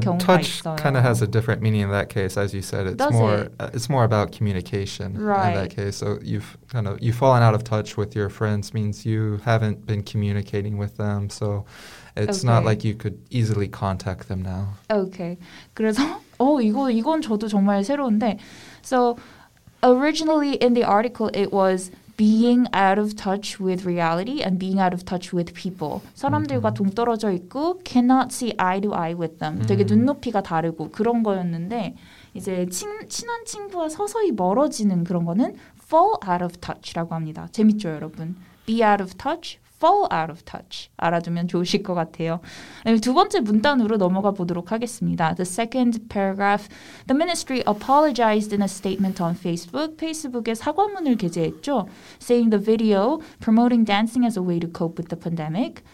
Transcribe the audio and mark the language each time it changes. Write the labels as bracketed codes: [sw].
[ko] 경우가 [en] touch [ko] 있어요. [en] Touch kind of has a different meaning in that case, as you said. It's more about communication in that case. So you've fallen out of touch with your friends means you haven't been communicating with them. So it's not like you could easily contact them now. Okay. [ko] 그래서 이건 저도 정말 새로운데. [en] So originally in the article it was being out of touch with reality and being out of touch with people. [ko] 사람들과 [en] mm-hmm. [ko] 동떨어져 있고 [en] cannot see eye to eye with them. [ko] 되게 눈높이가 다르고 그런 거였는데 이제 친한 친구와 서서히 멀어지는 그런 거는 [en] fall out of touch [ko] 라고 합니다. 재밌죠, 여러분? [en] Be out of touch, fall out of touch. [ko] 알아두면 좋으실 것 같아요. 두 번째 문단으로 넘어가 보도록 하겠습니다. [en] The second paragraph. The ministry apologized in a statement on Facebook. [ko] 페이스북에 사과문을 게재했죠. [en] Saying the video promoting dancing as a way to cope with the pandemic.